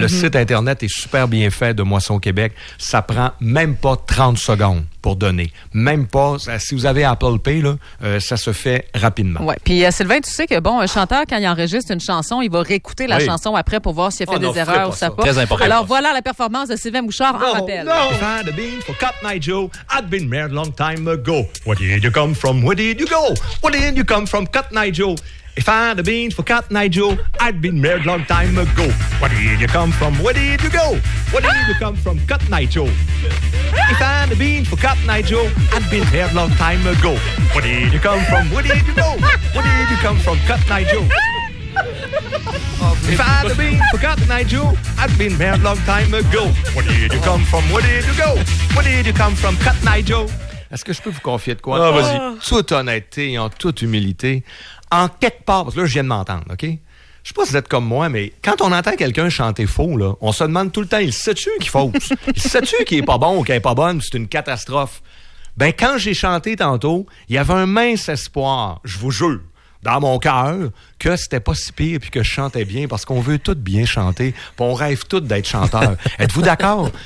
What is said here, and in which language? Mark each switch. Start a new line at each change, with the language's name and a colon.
French: Le site Internet est super bien fait de Moisson Québec. Ça prend même pas 30 secondes pour donner. Même pas, si vous avez Apple Pay, là, ça se fait rapidement. Ouais. Puis Sylvain, tu sais que bon, un chanteur, quand il enregistre une chanson, il va réécouter la chanson après pour voir s'il a fait des erreurs ou ça. Pas. Très important. Alors voilà la performance de Sylvain Bouchard en rappel.
English: No. If I had been for Cap Night Joe, I'd been married long time ago. Where did you come from? Where did you go? Where did you come from, Cap Night Joe? If I had been for Cap Night Joe, I'd been married long time ago. Where did you come from? Where did you go? Where did you come from, Cap Night Joe? If I had been for Cap Night Joe, I'd been married long time ago. Where did you come from? Where did you go? Where did you come from, Cap Night Joe? If I had been for Cap Night Joe, I'd been married long time ago. Where did you come from? Where did you go? Where did you come from, Cap Night Joe?
French: Est-ce que je peux vous confier de quoi? Ah, vas-y. Toute honnêteté et en toute humilité. En quelque part, parce que là, je viens de m'entendre, OK? Je sais pas si vous êtes comme moi, mais quand on entend quelqu'un chanter faux, là, on se demande tout le temps, il sait-tu qu'il fausse? Il sait-tu qu'il est pas bon ou qu'il est pas bonne? C'est une catastrophe. Ben, quand j'ai chanté tantôt, il y avait un mince espoir, je vous jure, dans mon cœur, que c'était pas si pire puis que je chantais bien parce qu'on veut tous bien chanter puis on rêve tous d'être chanteur. Êtes-vous d'accord?